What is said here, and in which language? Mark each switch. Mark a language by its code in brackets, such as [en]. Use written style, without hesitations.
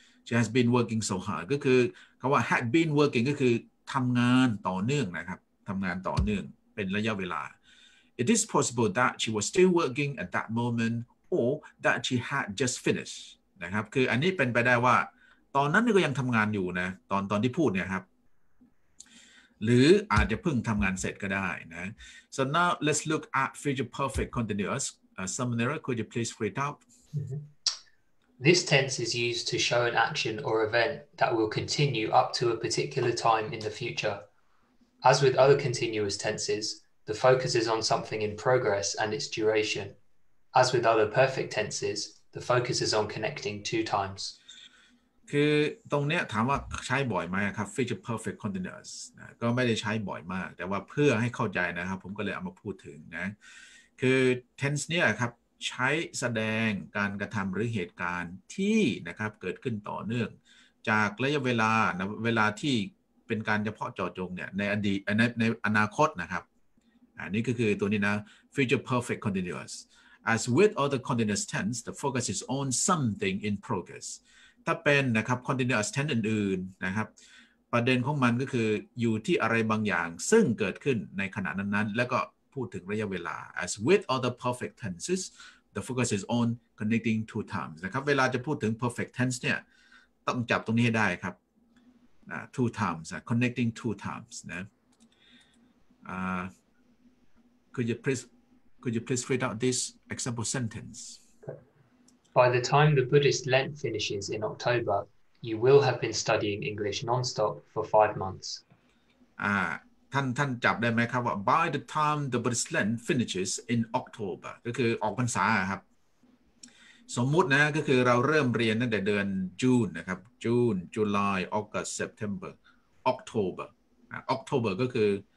[en] She has been working so hard. [th] ก็คือคำว่า had been working ก็คือทำงานต่อเนื่องนะครับทำงานต่อเนื่องเป็นระยะเวลา [en] It is possible that she was still working at that moment, or that she had just finished. [th] นะครับคืออันนี้เป็นไปได้ว่าตอนนั้นก็ยังทำงานอยู่นะตอนที่พูดเนี่ยครับหรืออาจจะเพิ่งทำงานเสร็จก็ได้นะ [en] So now let's look at future perfect continuous. Samanera, could you please read out? This tense is used to show an action or event that will continue up to a particular time in the future. As with other continuous tenses, the focus is on something in progress and its duration. As with other perfect tenses, the focus is on connecting two times. [th] คือตรงเนี้ยถามว่าใช้บ่อยไหมครับ future perfect continuous นะก็ไม่ได้ใช้บ่อยมากแต่ว่าเพื่อให้เข้าใจนะครับผมก็เลยเอามาพูดถึงนะคือ tense เนี่ยครับใช้แสดงการกระทำหรือเหตุการณ์ที่นะครับเกิดขึ้นต่อเนื่องจากระยะเวลานะเวลาที่เป็นการเฉพาะเจาะจงเนี่ยในอดีตในอนาคตนะครับ อันนี้ก็คือตัวนี้นะ [en] future perfect continuous as with other continuous tense the focus is on something in progress [th] ถ้าเป็นนะครับ continuous tense อื่นๆนะครับ ประเด็นของมันก็คืออยู่ที่อะไรบางอย่างซึ่งเกิดขึ้นในขณะนั้นๆแล้วก็พูดถึงระยะเวลา [en] as with other perfect tenses the focus is on connecting two times [th] นะครับเวลาจะพูดถึง perfect tense เนี่ยต้องจับตรงนี้ให้ได้ครับ two times connecting two times นะ [en] could you please read out this example sentence By the time the Buddhist Lent finishes in October, you will have been studying English non-stop for 5 months. [th] ท่านจับได้ไหมครับว่า [en] by the time the Buddhist Lent finishes in October, [th] ก็คือออกพรรษาครับสมมุตินะก็คือเราเริ่มเรียนตั้งแต่เดือนจูนนะครับจูน July August September October October ก็คือ